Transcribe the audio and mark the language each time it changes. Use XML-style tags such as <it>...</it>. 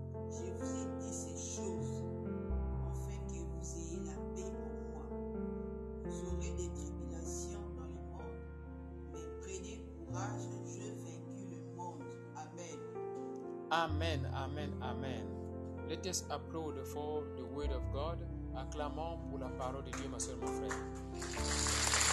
<fr>Je vous ai dit ces choses afin que vous ayez la paix en moi. Vous aurez des tribulations dans le monde, mais prenez courage, je vaincu le monde. Amen. Amen, amen, amen.</fr> <en>Let us applaud for the word of God.</en> <fr>Acclamons pour la parole de Dieu, ma soeur, mon frère.</fr>